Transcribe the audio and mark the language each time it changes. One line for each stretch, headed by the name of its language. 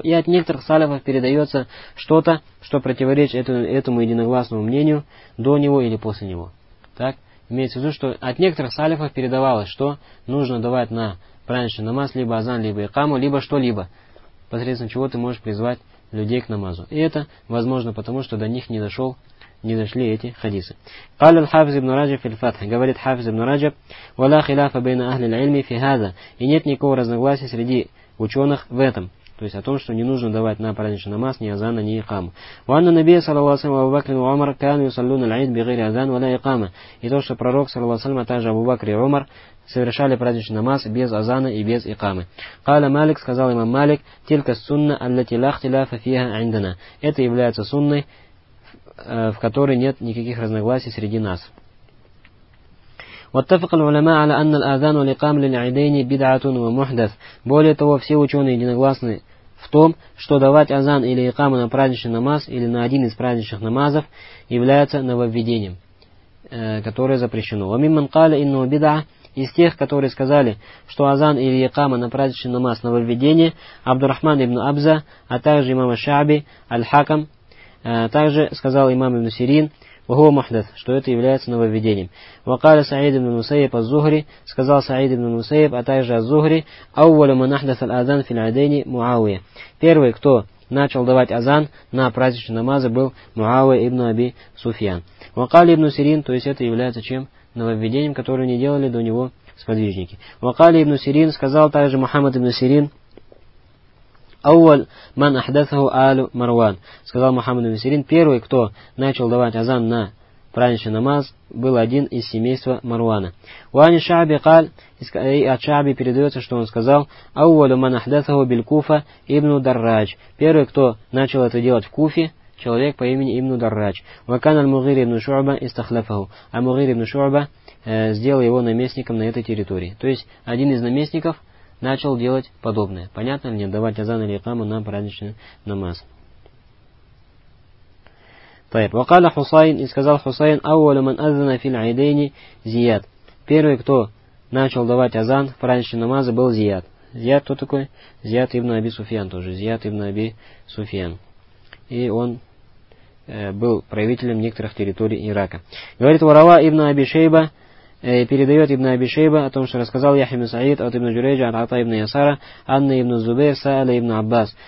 Russian: И от некоторых салафов передается что-то, что противоречит этому единогласному мнению до него или после него. Так? Имеется в виду, что от некоторых салафов передавалось, что нужно давать на праздничный намаз либо азан, либо икаму, либо что-либо, посредством чего ты можешь призвать людей к намазу. И это возможно потому, что до них не дошли эти хадисы.
Arabic: قال الحافظ ابن رجب في الفتح.
Russian: Говорит Хафиз ибн Раджаб:
Arabic: ولا خلاف بين أهل العلم في هذا.
Russian: И нет никакого разногласия среди ученых в этом. То есть о том, что не нужно давать на праздничный намаз ни азана, ни икаму.
Arabic: وأن النبي صلى الله عليه وسلم أبو بكر وعمر كانوا يصلون العيد بغير أذان ولا إقامة.
Russian: И то, что пророк
Arabic: صلى الله عليه وسلم,
Russian: а также Абу Бакр и Умар совершали праздничный намаз без азана и без икамы.
Arabic: قال مالك,
Russian: сказал имам Малик:
Arabic: تلك السنة التي لا اختلاف فيها عندنا.
Russian: Это является сунной, в которой нет никаких разногласий среди нас.
Arabic: واتفق العلماء على أن الأذان والإقامة للعيدين بدعة ومحدث.
Russian: Более того, все ученые единогласны в том, что давать азан или икаму на праздничный намаз или на один из праздничных намазов является нововведением, которое запрещено.
Arabic: ومن قال إنه بدعة,
Russian: из тех, которые сказали, что азан или икама на праздничный намаз нововведение, Абдурахман ибн Абза, а также имам Шааби, Аль-Хакам, также сказал имам ибн Сирин,
Arabic: وهو محدث,
Russian: что это является нововведением.
Arabic: وقال سعيد بن المسيب الزهري,
Russian: сказал Саид ибн Мусайб, а также аз-Зухри,
Arabic: أول من أحدث الأذان في العيدين معاوية.
Russian: Первый, кто начал давать азан на праздничные намазы, был Муавия ибн Аби Суфьян. وقال ибн Сирин, то есть это является чем? Нововведением, которое не делали до него сподвижники. وقال ибн Сирин, сказал также Мухаммад ибн Сирин,
Arabic: أول من أحدثه آل مروان.
Russian: Сказал Мухаммад ибн Сирин, первый, кто начал давать азан на праздничный намаз, был один из семейства Марвана.
Arabic: وعن الشعبي قال,
Russian: от Шааби передается, что он сказал,
Arabic: أول من أحدثه بالكوفة ابن دراج.
Russian: Первый, кто начал это делать в Куфе, человек по имени ибн Дарраж.
Arabic: وكان المغير ابن شعبة استخلفه.
Russian: А Мугир ибн Шуъба сделал его наместником на этой территории. То есть один из наместников начал делать подобное. Понятно ли мне давать азан или икаму на праздничный намаз?
Arabic: طيب. وقال حسين,
Russian: и сказал Хусайн,
Arabic: أول من أذن في العيدين زياد.
Russian: Первый, кто начал давать азан в праздничный намаз, был Зияд. Зияд кто такой? Зияд ибн Аби Суфьян тоже. Зияд ибн Аби Суфьян. И он был правителем некоторых территорий Ирака. Говорит Варава ибн Аби Шейба, передает ибн Аби Шейба о том, что рассказал Яхья ибн Саид от ибн Джурейджа, от Ата ибн Ясара, Анна ибн Зубейр, Саала ибн Аббас.